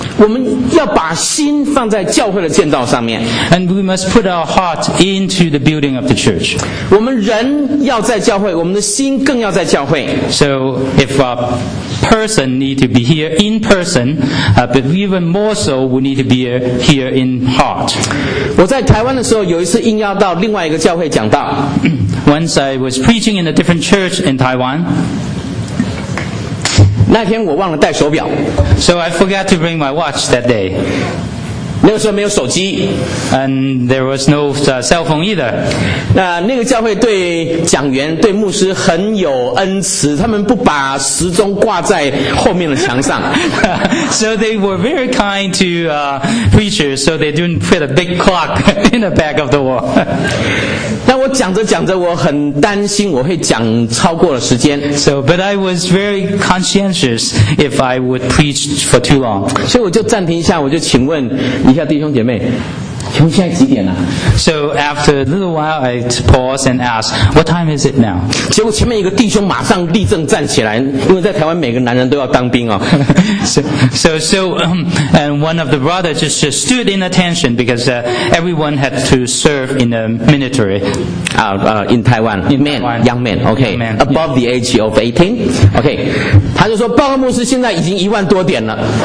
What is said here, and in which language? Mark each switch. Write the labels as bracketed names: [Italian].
[Chinese] 我们要把心放在教会的建造上面。 [English] And we must put our heart into the building of the church. [Chinese] 我们人要在教会，我们的心更要在教会。 [English] So if a person needs to be here in person, but even more so, we need to be here in heart. [Chinese] 我在台湾的时候，有一次应邀到另外一个教会讲道。 [English] Once I was preaching in a different church in Taiwan. [Chinese] 那天我忘了带手表。 [English] So I forgot to bring my watch that day. [Chinese] 那个时候没有手机。 [English] And there was no cell phone either. [Chinese] 那个教会对讲员对牧师很有恩慈，他们不把时钟挂在后面的墙上。 [English] So they were very kind to preachers, so they didn't put a big clock in the back of the wall. [Chinese] 但我讲着讲着，我很担心我会讲超过了时间。 [English] So, but I was very conscientious if I would preach for too long. [Chinese] 所以我就暂停一下，我就请问一下弟兄姐妹，请问现在几点了？ [English] So after a little while, I pause and ask, "What time is it now?" [Chinese] 结果前面一个弟兄马上立正站起来，因为在台湾每个男人都要当兵哦。 [English] And one of the brothers just stood in attention because everyone had to serve in the military. In Taiwan, man, young man, okay, young man, above the age of 18, okay. [Chinese] 他就说，报告牧师，现在已经一万多点了。